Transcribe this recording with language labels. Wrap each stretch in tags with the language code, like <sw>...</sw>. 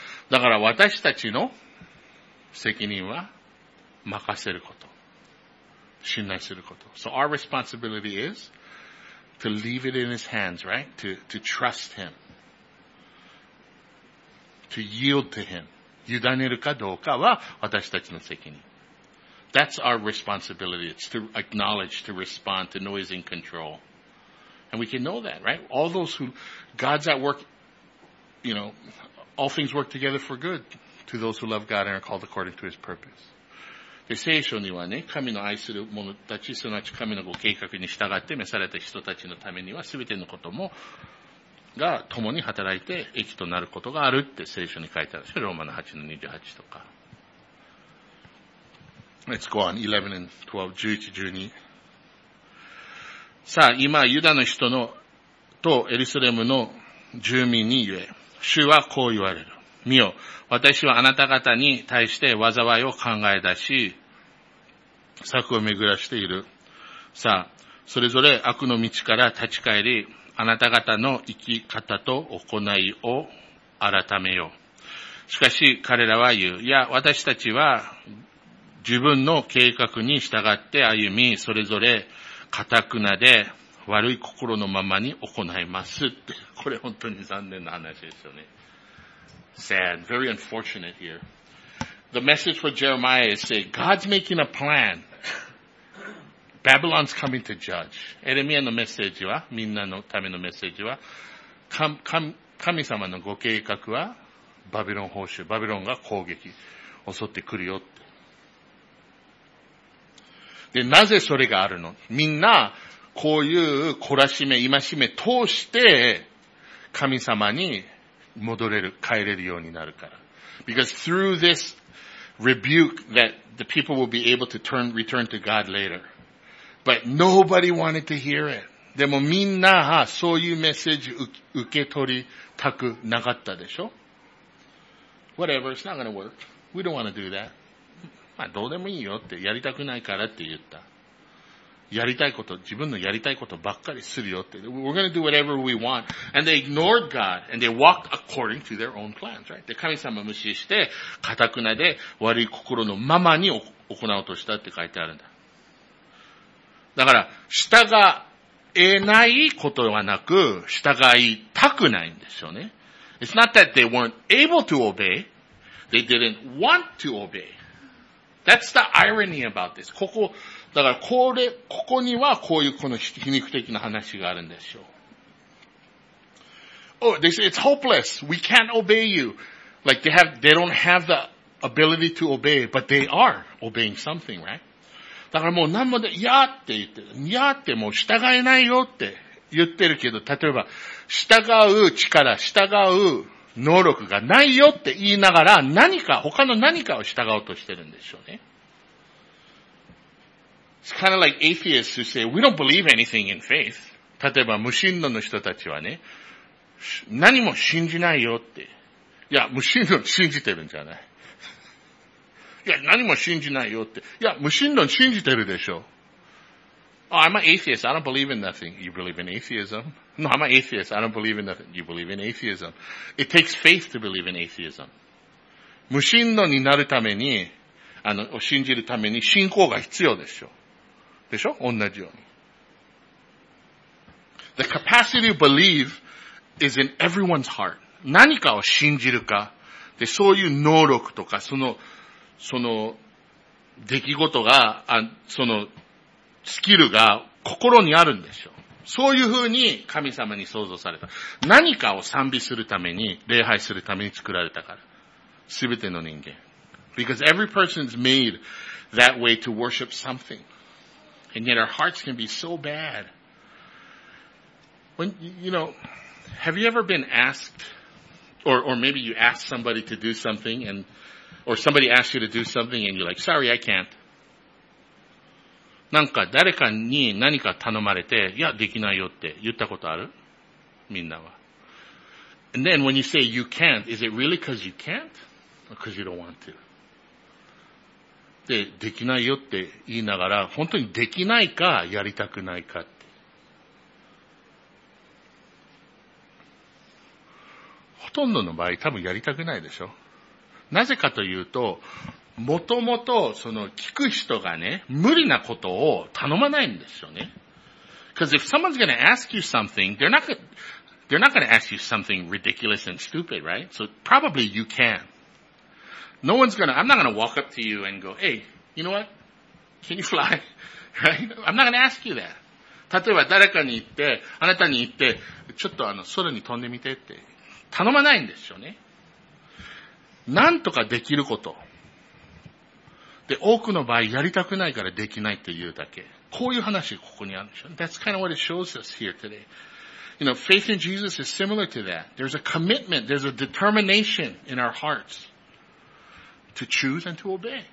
<ja>だから、私たちの責任は任せること。信頼すること。</ja> <en>So our responsibility is to leave it in his hands, right? To trust him. To yield to him.</en> <ja>委ねるかどうかは私たちの責任。</ja> <en>That's our responsibility. It's to acknowledge, to respond, to know he's in control. And we can know that, right? All those who, God's at work, you know, all things work together for good to those who love God and are called according to his purpose.</en> <ja>で、聖書にはね、神の愛する者たち、すなわち神のご計画に従って召された人たちのためには、すべてのことも、が共に働いて、益となることがあるって聖書に書いてあるでしょ。ローマの8の28とか。</ja> <en>Let's go on, 11 and 12, 11, 12.</en> <ja>さあ、今、ユダの人の、とエルサレムの住民に言え、主はこう言われる。見よ、私はあなた方に対して災いを考え出し、策を巡らしている。さあ、それぞれ悪の道から立ち返り、あなた方の生き方と行いを改めよう。しかし彼らは言う、いや、私たちは自分の計画に従って歩み、それぞれ固くなで悪い心のままに行いますって。これ本当に残念な話ですよね。</ja> <en>Sad, very unfortunate here. The message for Jeremiah is say, God's making a plan. Babylon's coming to judge.</en> <ja>エレミアのメッセージは、みんなのためのメッセージは、神様のご計画は、バビロン報酬、バビロンが攻撃、襲ってくるよって。で、なぜそれがあるの？みんな、こういう懲らしめ、戒め通して、神様に、戻れる、帰れるようになるから。</ja> <en>Because through this rebuke that the people will be able to return to God later. But nobody wanted to hear it.</en> <ja>でもみんな、そういうメッセージ受け取りたくなかったでしょ</ja> <en>?Whatever, it's not gonna work. We don't wanna do that.</en> <ja>まあどうでもいいよって、やりたくないからって言った。やりたいこと、自分のやりたいことばっかりするよって。</ja> <en>We're gonna do whatever we want. And they ignored God, and they walked according to their own plans, right?</en> <ja>で、神様無視して、かたくなで悪い心のままに行おうとしたって書いてあるんだ。だから、従えないことはなく、従いたくないんですよね。</ja> <en>It's not that they weren't able to obey, they didn't want to obey. That's the irony about this.</en> <ja>ここ、だから、これ、ここにはこういうこの皮肉的な話があるんでしょう。</ja> <en>Oh, they say, it's hopeless. We can't obey you. Like they have, they don't have the ability to obey, but they are obeying something, right?</en> <ja>だからもう何もで、いやって言ってる。いやってもう従えないよって言ってるけど、例えば、従う力、従う能力がないよって言いながら、何か、他の何かを従おうとしてるんでしょうね。</ja> <en>It's kind of like atheists who say, we don't believe anything in faith.</en> <ja>例えば、無神論の人たちはね、何も信じないよって。いや、無神論信じてるんじゃない。いや、何も信じないよって。いや、無神論信じてるでしょ。</ja> <en>Oh, I'm an atheist. I don't believe in nothing. You believe in atheism? No, I'm an atheist. I don't believe in nothing. You believe in atheism? It takes faith to believe in atheism.</en> <ja>無神論になるために、を信じるために信仰が必要でしょ。でしょ？同じように。</ja> <en>The capacity to believe is in everyone's heart.</en> <ja>何かを信じるか、で、そういう能力とか、その出来事が、そのスキルが心にあるんでしょう。そういうふうに神様に創造された。何かを賛美するために、礼拝するために作られたから。すべての人間。</ja> <en>Because every person is made that way to worship something. And yet our hearts can be so bad. When, you know, have you ever been asked, or maybe you ask somebody to do something andOr somebody asks you to do something and you're like, sorry, I can't.</en> <ja>なんか誰かに何か頼まれて、いや、できないよって言ったことある？みんなは。</ja> <en>And then when you say you can't, is it really because you can't? Or because you don't want to?</en> <ja>で、できないよって言いながら、本当にできないか、やりたくないかって。ほとんどの場合、多分やりたくないでしょ。なぜかというと、もともとその聞く人がね、無理なことを頼まないんですよね。</ja> <en>Because if someone's going to ask you something, they're not going to ask you something ridiculous and stupid, right? So probably you can. No one's going to, I'm not going to walk up to you and go, hey, you know what? Can you fly? Right? I'm not going to ask you that.</en> <ja>例えば誰かに言って、あなたに言って、ちょっと空に飛んでみてって、頼まないんですよね。なんとかできること。で、多くの場合、やりたくないからできないというだけ。こういう話がここにあるんでしょ。</ja> <en>That's kind of what it shows us here today. You know, faith in Jesus is similar to that. There's a commitment, there's a determination in our hearts to choose and to obey.</en>